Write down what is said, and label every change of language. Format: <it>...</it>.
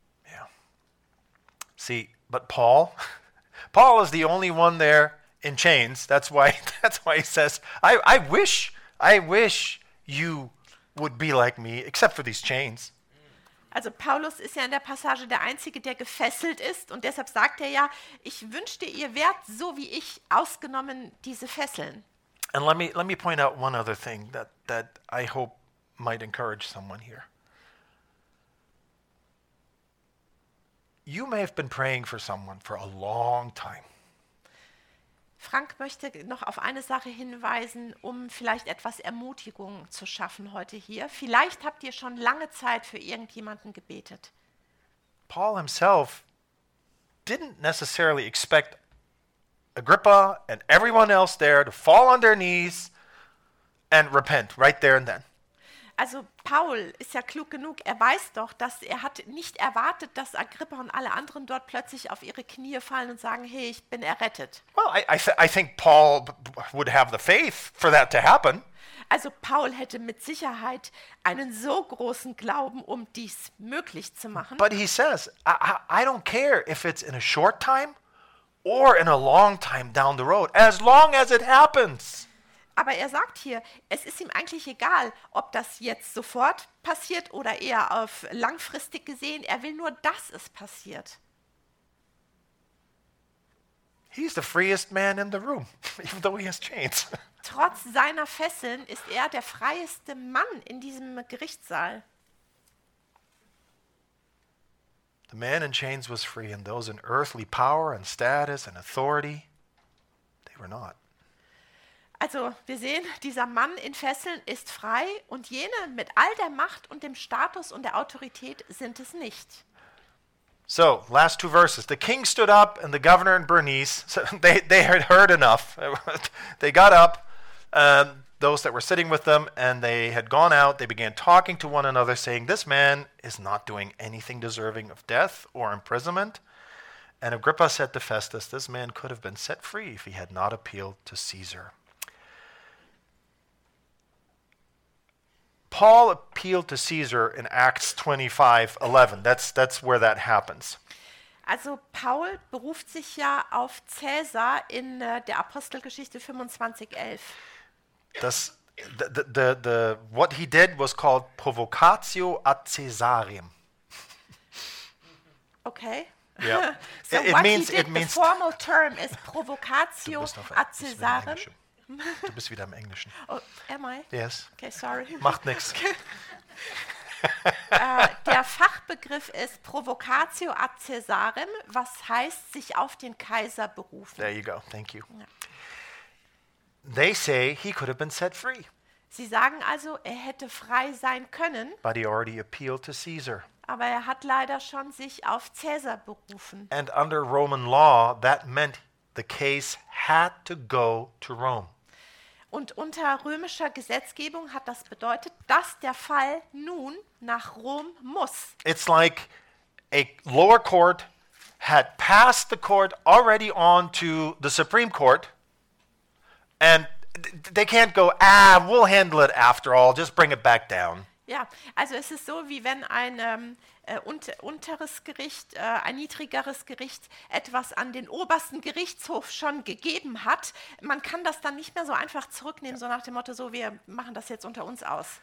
<en>Yeah. See, but Paul is the only one there in chains. That's why he says, I wish you would be like me, except for these chains.</en> <de>Also Paulus ist ja in der Passage der Einzige, der gefesselt ist. Und deshalb sagt er ja, ich wünschte, ihr wärt so wie ich, ausgenommen diese Fesseln.</de> <en>And let me point out one other thing that I hope might encourage someone here. You may have been praying for someone for a long time.</en> <de>Frank möchte noch auf eine Sache hinweisen, um vielleicht etwas Ermutigung zu schaffen heute hier. Vielleicht habt ihr schon lange Zeit für irgendjemanden gebetet.</de> <en>Paul himself didn't necessarily expect Agrippa and everyone else there to fall on their knees and repent right there and then.</en> <de>Also Paul ist ja klug genug, er weiß doch, dass er hat nicht erwartet, dass Agrippa und alle anderen dort plötzlich auf ihre Knie fallen und sagen, hey, ich bin errettet.</de> <en>Well, I think Paul would have the faith for that to happen.</en> <de>Also Paul hätte mit Sicherheit einen so großen Glauben, um dies möglich zu machen.</de> <en>But he says, I don't care if it's in a short time or in a long time down the road, as long as it happens.</en> <de>Aber er sagt hier, es ist ihm eigentlich egal, ob das jetzt sofort passiert oder eher auf langfristig gesehen. Er will nur, dass es passiert.</de> <en>He's the freest man in the room, even though he has chains.</en> <de>Trotz seiner Fesseln ist er der freieste Mann in diesem Gerichtssaal.</de> <en>The man in chains was free, and those in earthly power and status and authority, they were not.</en> <de>Also wir sehen, dieser Mann in Fesseln ist frei und jene mit all der Macht und dem Status und der Autorität sind es nicht.</de> <en>So, last two verses. The king stood up and the governor and Bernice, so they had heard enough. They got up, those that were sitting with them, and they had gone out. They began talking to one another, saying, this man is not doing anything deserving of death or imprisonment. And Agrippa said to Festus, this man could have been set free if he had not appealed to Caesar. Paul appealed to Caesar in Acts 25:11. That's where that happens.</en> <de>Also Paul beruft sich ja auf Caesar in der Apostelgeschichte 25:11.</de> <en>The what he did was called provocatio ad Caesarem. Okay. Yeah. So it means the formal term is provocatio ad Caesarem.</en> <de>Du bist wieder im Englischen.</de> <en>Oh, am I? Yes. Okay, sorry.</en> <de>Macht nichts. Der Fachbegriff ist Provocatio ad Caesarem, was heißt, sich auf den Kaiser berufen.</de> <en>There you go, thank you. Yeah. They say he could have been set free.</en> <de>Sie sagen also, er hätte frei sein können.</de> <en>But he already appealed to Caesar.</en> <de>Aber er hat leider schon sich auf Caesar berufen.</de> <en>And under Roman law, that meant the case had to go to Rome.</en> <de>Und unter römischer Gesetzgebung hat das bedeutet, dass der Fall nun nach Rom muss.</de> <en>It's like a lower court had passed the court already on to the Supreme Court and they can't go, we'll handle it after all, just bring it back down.</en> <de>Ja, also es ist so, wie wenn ein unteres Gericht, ein niedrigeres Gericht etwas an den obersten Gerichtshof schon gegeben hat. Man kann das dann nicht mehr so einfach zurücknehmen, yeah. So nach dem Motto, so wir machen das jetzt unter uns aus.</de>